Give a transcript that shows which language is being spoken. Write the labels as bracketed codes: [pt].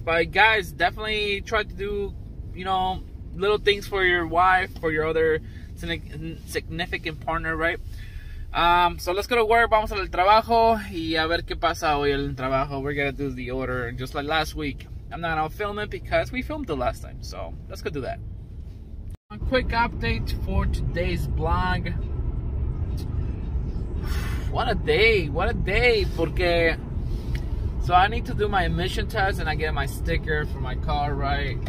[en] But guys, definitely try to do, you know, little things for your wife, for your other significant partner, right? So let's go to work. [es] Vamos al trabajo y a ver qué pasa hoy en el trabajo. [en] We're going to do the order just like last week. I'm not going to film it because we filmed it last time. So let's go do that. A quick update for today's blog. What a day. Porque... So I need to do my emission test and I get my sticker for my car, right?